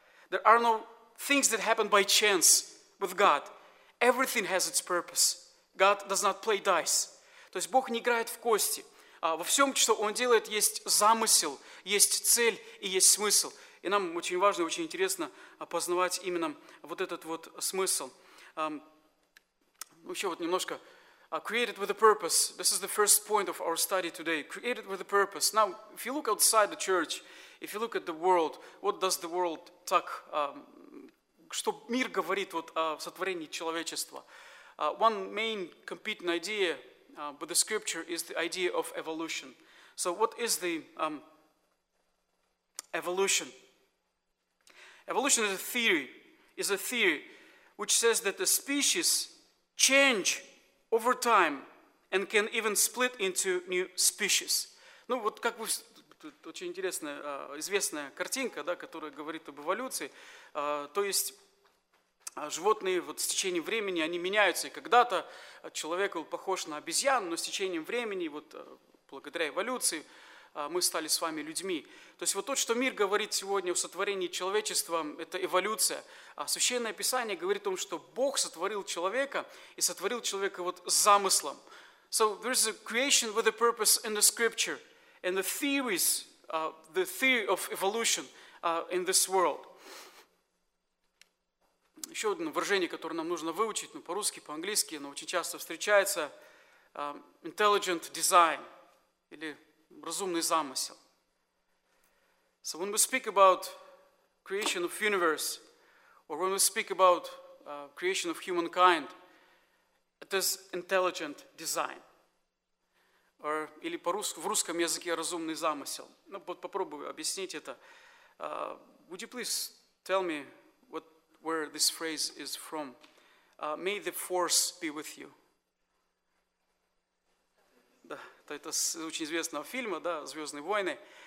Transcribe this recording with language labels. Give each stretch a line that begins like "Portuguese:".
English: There are no things that happen by chance with God. Everything has its purpose. God does not play dice.
Russian: То есть Бог не играет в кости. Во всем, что Он делает, есть замысел, есть цель и есть смысл. И нам очень важно, очень интересно опознавать именно вот этот вот смысл. Еще вот немножко.
English: Created with a purpose. This is the first point of our study today. Created with a purpose. Now, if you look outside the church, if you look at the world, what does the world talk?
Russian: Что мир говорит вот о сотворении человечества?
English: One main competing idea with the scripture is the idea of evolution. So what is the evolution? Evolution is a theory. Is a theory which says that the species change over time and can even split into new species.
Russian: Ну вот как вы... Тут очень интересная, известная картинка, да, которая говорит об эволюции. То есть... Животные вот с течением времени, они меняются. И когда-то человек был похож на обезьян, но с течением времени, вот благодаря эволюции, мы стали с вами людьми. То есть вот то, что мир говорит сегодня о сотворении человечества, это эволюция. А Священное Писание говорит о том, что Бог сотворил человека и сотворил человека вот с замыслом.
English: So there is a creation with a purpose in the scripture and the theories, the theory of evolution in this world.
Russian: Еще одно выражение, которое нам нужно выучить, ну, по-русски, по-английски, оно очень часто встречается.
English: Intelligent design,
Russian: или разумный замысел.
English: So when we speak about creation of universe, or when we speak about creation of humankind, it is intelligent design.
Russian: Or, или по-русски, в русском языке разумный замысел. Ну, вот попробую объяснить это.
English: Would you please tell me, where this phrase is from. May the force be with you.
Russian: Да, это из очень известного фильма, да, «Звездные войны».